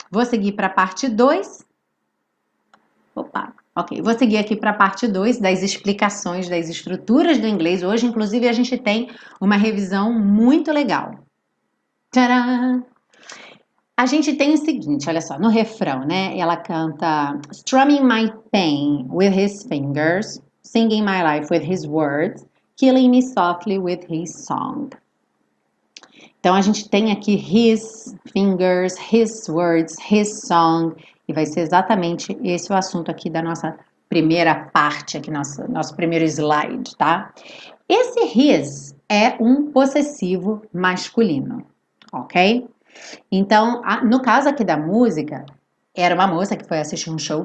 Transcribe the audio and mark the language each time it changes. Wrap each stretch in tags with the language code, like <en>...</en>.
<pt>Vou seguir para a parte 2. Opa, ok. Vou seguir aqui para a parte 2 das explicações das estruturas do inglês. Hoje, inclusive, a gente tem uma revisão muito legal. Tcharam! A gente tem o seguinte, olha só, no refrão, né? Ela canta</pt> <en>strumming my pain with his fingers, singing my life with his words, killing me softly with his song.</en> <pt>Então, a gente tem aqui</pt> <en>his fingers, his words, his song.</en> <pt>E vai ser exatamente esse o assunto aqui da nossa primeira parte, aqui nosso primeiro slide, tá? Esse his é um possessivo masculino, ok? Então, no caso aqui da música, era uma moça que foi assistir um show.</pt>